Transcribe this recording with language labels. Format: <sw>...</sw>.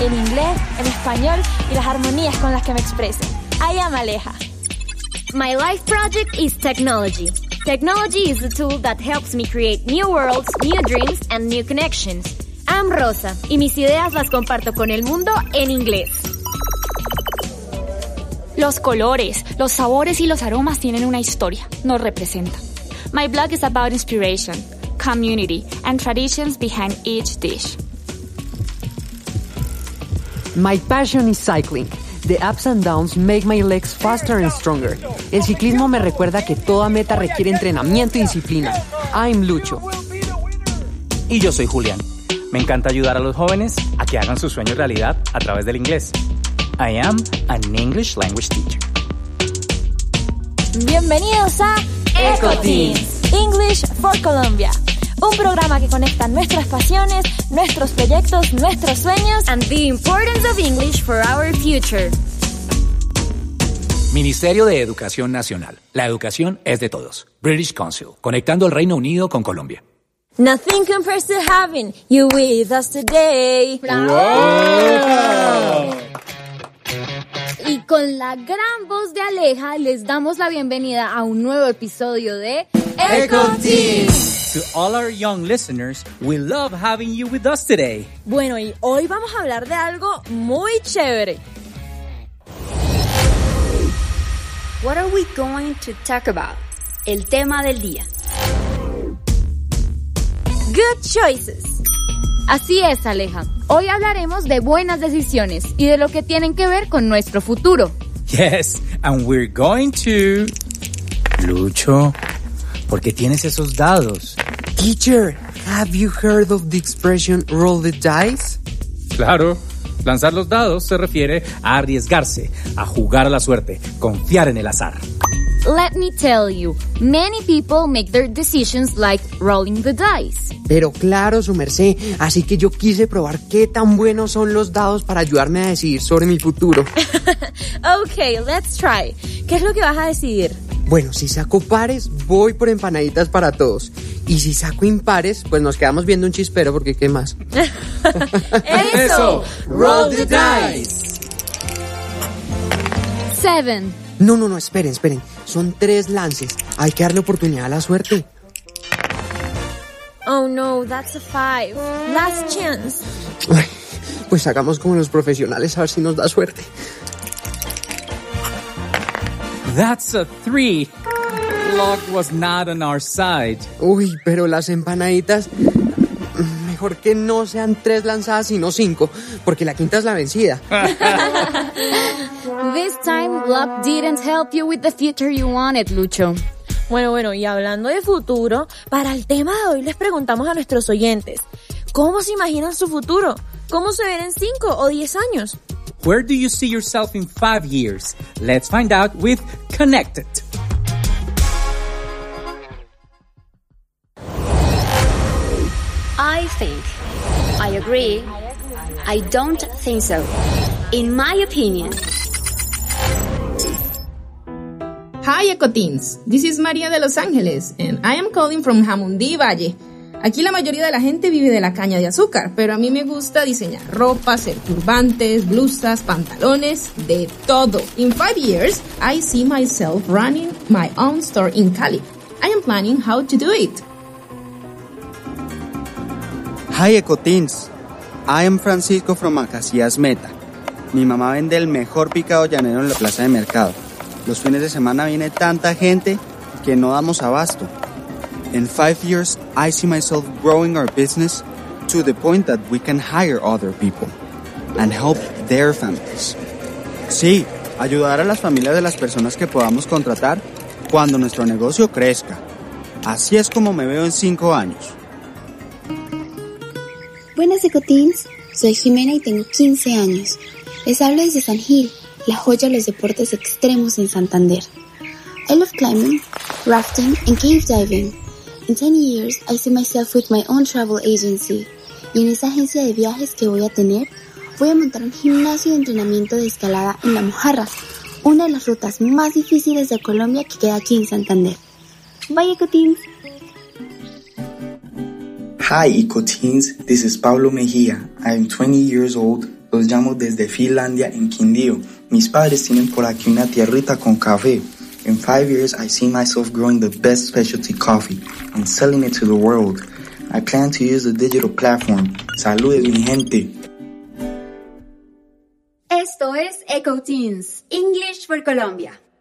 <es>En inglés, en español y las armonías con las que me expreso.</es> <en>I am Aleja. My life project is technology. Technology is a tool that helps me create new worlds, new dreams, and new connections. I'm Rosa,</en> <es>y mis ideas las comparto con el mundo en inglés. Los colores, los sabores y los aromas tienen una historia, nos representan.</es> <en>My blog is about inspiration, community, and traditions behind each dish. My passion is cycling. The ups and downs make my legs faster and stronger.</en> <es>El ciclismo me recuerda que toda meta requiere entrenamiento y disciplina.</es> <en>I'm Lucho.</en> <es>Y yo soy Julián. Me encanta ayudar a los jóvenes a que hagan sus sueños realidad a través del inglés.</es> <en>I am an English language teacher.</en> <es>Bienvenidos a</es> <en>EcoTeens, English for Colombia.</en> <es>Un programa que conecta nuestras pasiones, nuestros proyectos, nuestros sueños</es> <en>and the importance of English for our future.</en> <es>Ministerio de Educación Nacional. La educación es de todos. British Council. Conectando el Reino Unido con Colombia.</es> <en>Nothing compares to having you with us today. ¡Wow!</en> <es>Y con la gran voz de Aleja les damos la bienvenida a un nuevo episodio de EcoTeens.</es> <en>To all our young listeners, we love having you with us today.</en> <es>Bueno, y hoy vamos a hablar de algo muy chévere.</es> <en>What are we going to talk about?</en> <es>El tema del día.</es> <en>Good choices.</en> <es>Así es, Aleja. Hoy hablaremos de buenas decisiones y de lo que tienen que ver con nuestro futuro.</es> <en>Yes, and we're going to... Lucho...</en> <es>¿Por qué tienes esos dados?</es> <en>Teacher, have you heard of the expression roll the dice?</en> <es>Claro, lanzar los dados se refiere a arriesgarse, a jugar a la suerte, confiar en el azar.</es> <en>Let me tell you, many people make their decisions like rolling the dice.</en> <es>Pero claro, su merced, así que yo quise probar qué tan buenos son los dados para ayudarme a decidir sobre mi futuro.</es> <en>Okay, let's try.</en> <es>¿Qué es lo que vas a decidir? Bueno, si saco pares, voy por empanaditas para todos. Y si saco impares, pues nos quedamos viendo un chispero porque ¿qué más? ¡Eso!</es> <en>¡Roll the dice! 7</en> <es>No, esperen. Son 3 lances. Hay que darle oportunidad a la suerte.</es> <en>Oh no, that's a 5. Last chance.</en> <es>Ay, pues hagamos como los profesionales a ver si nos da suerte.</es> <en>That's a 3. Luck was not on our side.</en> <es>Uy, pero las empanaditas... Mejor que no sean 3 lanzadas, sino 5, porque la quinta es la vencida.</es> <en>This time, luck didn't help you with the future you wanted, Lucho.</en> <es>Bueno, y hablando de futuro, para el tema de hoy les preguntamos a nuestros oyentes, ¿cómo se imaginan su futuro? ¿Cómo se ven en 5 o 10 años?</es> <en>Where do you see yourself in 5 years? Let's find out with Connected. I think. I agree. I don't think so. In my opinion. Hi, EcoTeens. This is Maria de Los Angeles, and I am calling from Jamundí Valle.</en> <es>Aquí la mayoría de la gente vive de la caña de azúcar, pero a mí me gusta diseñar ropa, hacer turbantes, blusas, pantalones, de todo.</es> <en>In 5 years, I see myself running my own store in Cali. I am planning how to do it. Hi, EcoTeens. I am Francisco from Acacias Meta.</en> <es>Mi mamá vende el mejor picado llanero en la plaza de mercado. Los fines de semana viene tanta gente que no damos abasto.</es> <en>In 5 years, I see myself growing our business to the point that we can hire other people and help their families.</en> <es>Sí, ayudar a las familias de las personas que podamos contratar cuando nuestro negocio crezca. Así es como me veo en 5 años. Buenas, EcoTeens. Soy Jimena y tengo 15 años. Les hablo desde San Gil, la joya de los deportes extremos en Santander.</es> <en>I love climbing, rafting, and cave diving. In 10 years, I see myself with my own travel agency.</en> <es>Y en esa agencia de viajes que voy a tener, voy a montar un gimnasio de entrenamiento de escalada en La Mojarra, una de las rutas más difíciles de Colombia que queda aquí en Santander.</es> <en>Bye, Ecoteens. Hi, Ecoteens. This is Pablo Mejía. I am 20 years old.</en> <es>Los llamo desde Finlandia en Quindío. Mis padres tienen por aquí una tierrita con café.</es> <en>In 5 years, I see myself growing the best specialty coffee and selling it to the world. I plan to use the digital platform.</en> <es>Saludos, mi gente. Esto es Ecoteens, English for Colombia.</es>